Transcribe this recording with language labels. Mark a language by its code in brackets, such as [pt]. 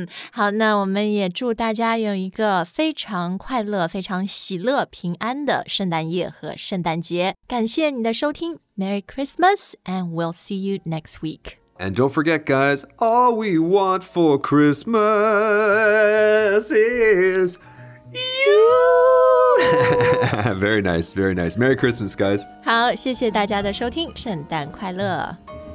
[zh] 好，那我们也祝大家有一个非常快乐、非常喜乐、平安的圣诞夜和圣诞节。感谢你的收听 [en] Merry Christmas, and we'll see you next week. And don't forget, guys, all we want for Christmas is you! Very nice, very nice. Merry Christmas, guys. [zh] 好，谢谢大家的收听，圣诞快乐。